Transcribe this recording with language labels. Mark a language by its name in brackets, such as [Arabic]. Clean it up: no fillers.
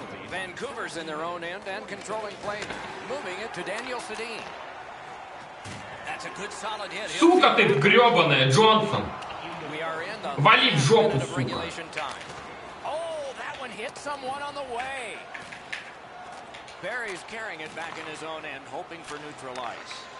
[English] Vancouver's in their own end and controlling play, moving it to Daniel Sedin. That's a good solid hit. [Russian] Сука ты грёбаная, Джонсон. Вали в жопу, сука. [English] Oh, that one hit someone on the way. Barry's carrying it back in his own end, hoping for neutral ice.